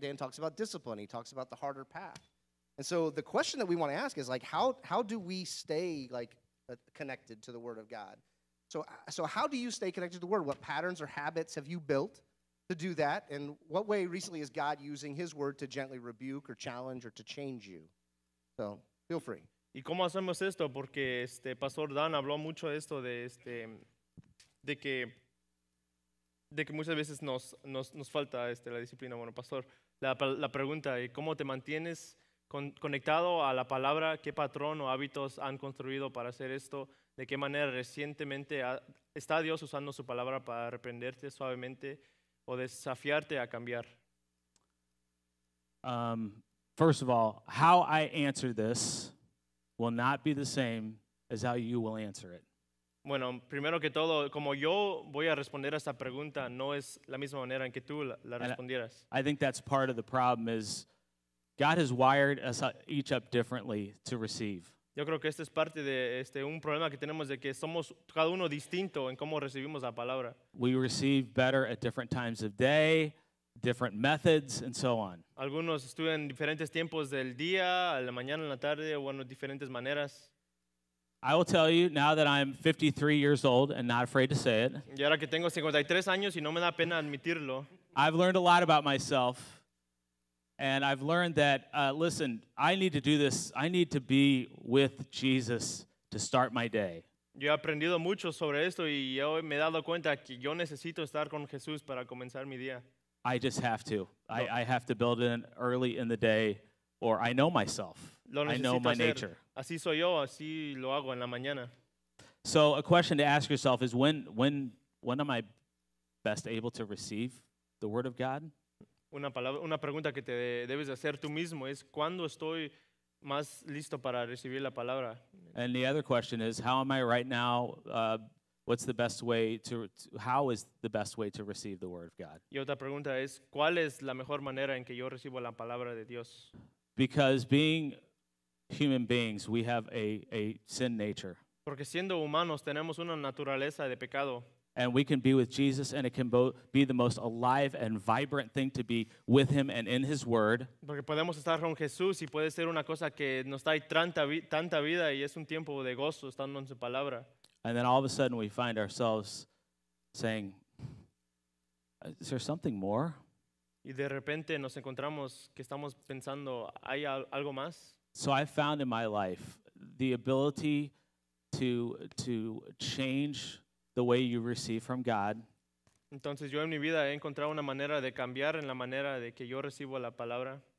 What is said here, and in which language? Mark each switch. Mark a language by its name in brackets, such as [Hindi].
[English] Dan talks about discipline. He talks about the harder path. And so the question that we want to ask is like, how do we stay like connected to the Word of God? So how do you stay connected to the Word? What patterns or habits have you built to do that? And what way recently is God using His Word to gently rebuke or challenge or to change you? So feel free. [Spanish] ¿Y cómo hacemos esto? Porque Pastor Dan habló mucho esto de que muchas veces nos falta la disciplina. Bueno, Pastor, la pregunta, ¿y cómo te mantienes conectado a la palabra? ¿Qué patrón o hábitos han construido para hacer esto? ¿De qué manera recientemente está Dios usando su palabra para reprenderte suavemente o desafiarte a cambiar? [English] First of all, how I answer this will not be the same as how you will answer it. [Spanish] Bueno, primero que todo, como yo voy a responder a esta pregunta, no es la misma manera en que tú la respondieras. [English] I think that's part of the problem is God has wired us each up differently to receive. [Spanish] Yo creo que esta es parte de un problema que tenemos de que somos cada uno distinto en cómo recibimos la palabra. [English] We receive better at different times of day, different methods, and so on. [Spanish] Algunos estudian diferentes tiempos del día, a la mañana, en la tarde, o en diferentes maneras. [English] I will tell you now that I'm 53 years old and not afraid to say it. [Spanish] Y ahora que tengo 53 años y no me da pena admitirlo. [English] I've learned a lot about myself. And I've learned that, listen, I need to do this. I need to be with Jesus to start my day. [Spanish] Yo he aprendido mucho sobre esto y yo me he dado cuenta que yo necesito estar con Jesús para comenzar mi día. [English] I just have to. I have to build in early in the day, or I know myself. I know my nature. [Spanish] Así soy yo, así lo hago en la mañana. [English] So a question to ask yourself is when am I best able to receive the Word of God? [Spanish] Una pregunta que te debes hacer tú mismo es ¿cuándo estoy más listo para recibir la palabra? [English] And the other question is how am I right now? What's the best way how is the best way to receive the Word of God? [Spanish] Y otra pregunta es ¿cuál es la mejor manera en que yo recibo la palabra de Dios? [English] Because being human beings, we have a sin nature. [Spanish] Porque siendo humanos tenemos una naturaleza de pecado. [English] And we can be with Jesus, and it can be the most alive and vibrant thing to be with Him and in His Word. [Spanish] Porque podemos estar con Jesús, y puede ser una cosa que nos da tanta vida, y es un tiempo de gozo estando en su palabra. [English] And then all of a sudden we find ourselves saying, is there something more? [Spanish] Y de repente nos encontramos que estamos pensando, ¿hay algo más? [English] So I found in my life the ability to change the way you receive from God. [Spanish] Entonces yo en mi vida he encontrado una manera de cambiar en la manera de que yo recibo la palabra.